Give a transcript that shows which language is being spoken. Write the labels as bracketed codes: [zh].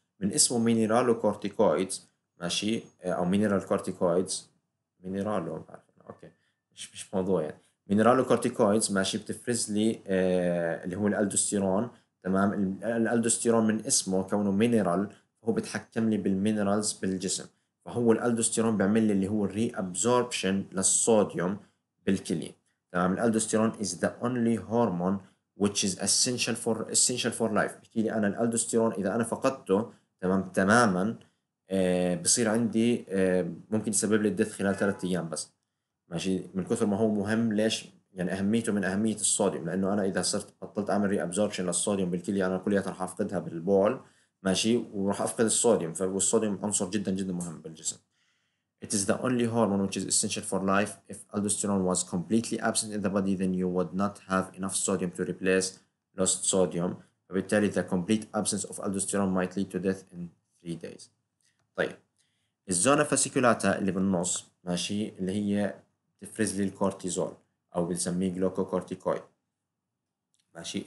[ar] من اسمه مينيرالو كورتيكويدز، ماشي، أو مينيرال كورتيكويدز، مينيرالو اوكي مش موضوع يعني. مينيرالو كورتيكويدز، ماشي، بتفرز لي اللي هو الالدوستيرون. تمام، الالدوستيرون من اسمه كونه مينيرال هو بتحكم لي بالمينرالز بالجسم، فهو الالدوستيرون بيعمل لي اللي هو الري ابزوربشن للصوديوم بالكلي. [en] تمام، الالدوستيرون is the only hormone which is essential for life. [ar] بحكي لي انا الالدوستيرون اذا انا فقدته تماما بصير عندي ممكن يسبب لي الدث خلال 3 ايام بس، ماشي، من كثر ما هو مهم. ليش؟ يعني اهميته من اهميه الصوديوم، لانه انا اذا صرت بطلت اعمل ري ابزوربشن للصوديوم بالكلي انا كليات راح افقدها بالبول، ماشي، وراح افقد الصوديوم، فالصوديوم عنصر جدا جدا مهم بالجسم. [en] It is the only hormone which is essential for life. If aldosterone was completely absent in the body then you would not have enough sodium to replace lost sodium. فبالتالي the complete absence of aldosterone might lead to death in 3 days. [ar] طيب الزونة فاسيكولاتا اللي بالنص، ماشي، اللي هي تفرز لي الكورتيزول او بنسميه جلوكوكورتيكويد، ماشي.